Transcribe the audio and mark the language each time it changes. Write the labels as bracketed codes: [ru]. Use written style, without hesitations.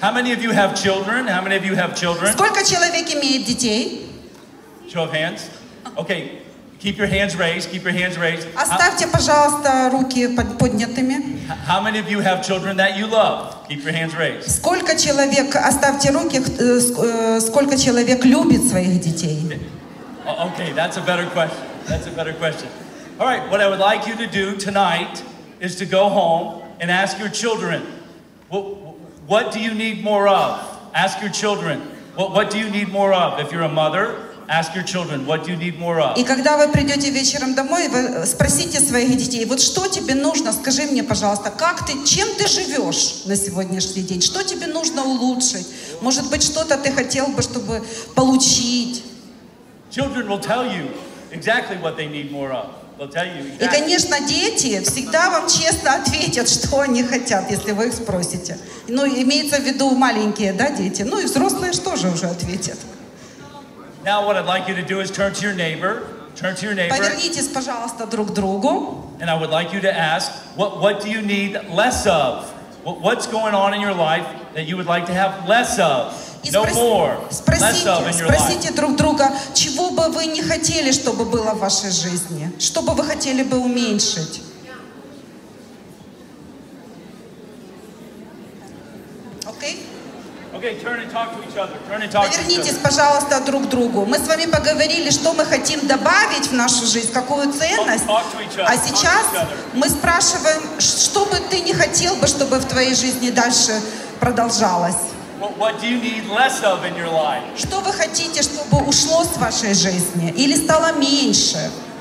[en] How many of you have children? How many of you have children? [ru] Сколько человек имеет детей? [en] Show of hands. Okay. Keep your hands raised. Keep your hands raised. [ru] Оставьте, пожалуйста, руки поднятыми. [en] How many of you have children that you love? Keep your hands raised. [ru] Сколько человек, оставьте руки, сколько человек любит своих детей? [en] Okay, that's a better question. That's a better question. All right, what I would like you to do tonight is to go home and ask your children, what do you need more of? Ask your children, what do you need more of? If you're a mother, ask your children, what do you need more of? [ru] И когда вы придете вечером домой, вы спросите своих детей, вот что тебе нужно, скажи мне, пожалуйста, как ты, чем ты живешь на сегодняшний день? Что тебе нужно улучшить? Может быть, что-то ты хотел бы, чтобы получить? [en] Children will tell you exactly what they need more of. [ru] И, конечно, дети всегда вам честно ответят, что они хотят, если вы их спросите. Ну, имеется в виду маленькие, да, дети? Ну, и взрослые же тоже уже ответят. [en] Now what I'd like you to do is turn to your neighbor. Turn to your neighbor. [ru] Повернитесь, пожалуйста, друг к другу. [en] And I would like you to ask, what do you need less of? What's going on in your life that you would like to have less of? No more. [ru] Спросите друг друга, чего бы вы не хотели, чтобы было в вашей жизни? Что бы вы хотели бы уменьшить? Окей? Okay? [en] Okay, turn and talk to each other. Turn and talk to each other. [ru] Повернитесь, пожалуйста, друг к другу. Мы с вами поговорили, что мы хотим добавить в нашу жизнь, какую ценность. [en] Talk to each other. [ru] А сейчас мы спрашиваем, что бы ты не хотел бы, чтобы в твоей жизни дальше продолжалось. [en] What do you need less of in your life? [ru] Что вы хотите, чтобы ушло с вашей жизни или стало меньше?